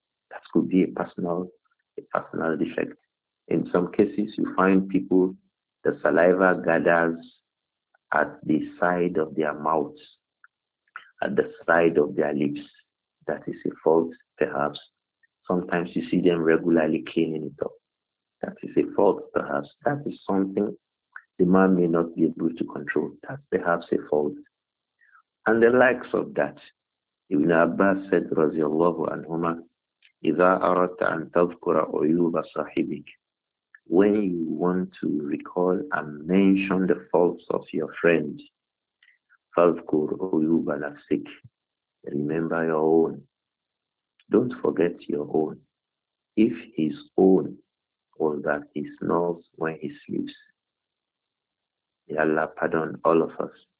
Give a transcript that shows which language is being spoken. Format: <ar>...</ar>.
<en>That could be a personal defect. In some cases, you find people, the saliva gathers at the side of their mouths, at the side of their lips. That is a fault, perhaps. Sometimes you see them regularly cleaning it up. That is a fault, perhaps. That is something the man may not be able to control. That's perhaps a fault. And the likes of that. Ibn Abbas said,</en> <ar>Raziallahu anhuma, إِذَا أَرَدْتَ أَن تَذْكُرَ عُيُوبَ صَاحِبِكَ.</ar> <en>When you want to recall and mention the faults of your friend,</en> <ar>فَذْكُرْ عُيُوبَ نَفْسِكَ.</ar> <en>Remember your own. Don't forget your own. If his own was that he snores when he sleeps, may Allah pardon all of us.</en>